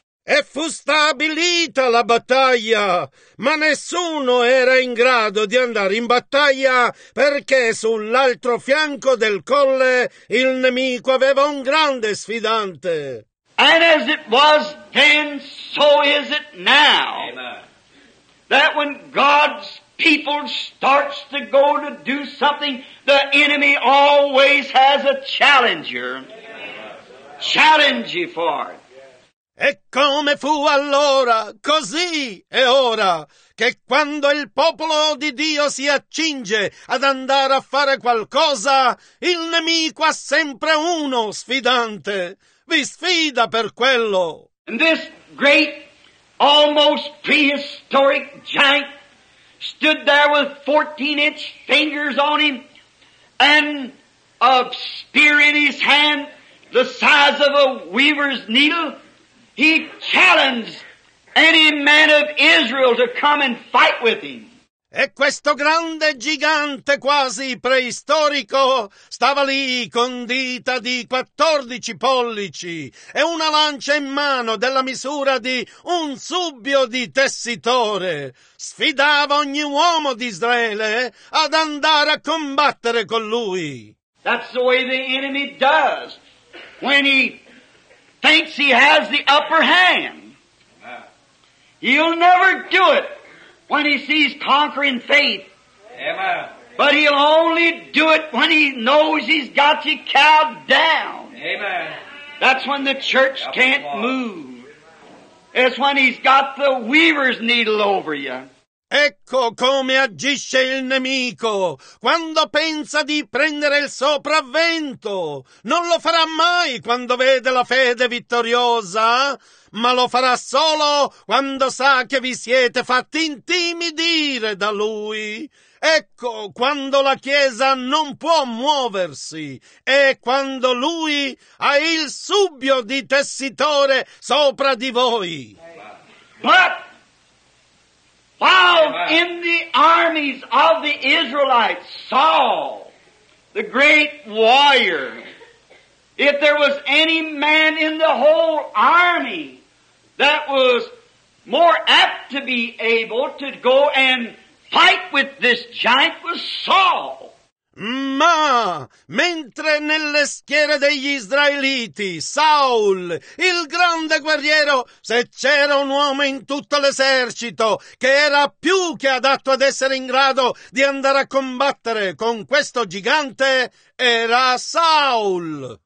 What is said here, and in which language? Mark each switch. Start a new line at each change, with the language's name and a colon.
Italian: E fu stabilita la battaglia, ma nessuno era in grado di andare in battaglia perché sull'altro fianco del colle il nemico aveva un grande sfidante.
English: And as it was then, so is it now. Amen. That when God's people starts to go to do something, the enemy always has a challenger. Challenge for it.
Italian: E come fu allora, così è ora, che quando il popolo di Dio si accinge ad andare a fare qualcosa, il nemico ha sempre uno sfidante. Vi sfida per quello.
English: And this great, almost prehistoric giant stood there with 14-inch fingers on him and a spear in his hand, the size of a weaver's needle. He challenged any man of Israel to come and fight with him.
Italian: E questo grande gigante quasi preistorico stava lì con dita di 14 pollici e una lancia in mano della misura di un subbio di tessitore. Sfidava ogni uomo di Israele ad andare a combattere con lui.
English: That's the way the enemy does when he thinks he has the upper hand. He'll never do it when he sees conquering faith. Amen. But he'll only do it when he knows he's got you cowed down. Amen. That's when the church can't move. It's when he's got the weaver's needle over you.
Italian: Ecco come agisce il nemico quando pensa di prendere il sopravvento. Non lo farà mai quando vede la fede vittoriosa, ma lo farà solo quando sa che vi siete fatti intimidire da lui. Ecco quando la Chiesa non può muoversi e quando lui ha il subbio di tessitore sopra di voi.
English: While in the armies of the Israelites, Saul, the great warrior, if there was any man in the whole army that was more apt to be able to go and fight with this giant was Saul.
Italian: Ma mentre nelle schiere degli israeliti Saul, il grande guerriero, se c'era un uomo in tutto l'esercito che era più che adatto ad essere in grado di andare a combattere con questo gigante, era Saul.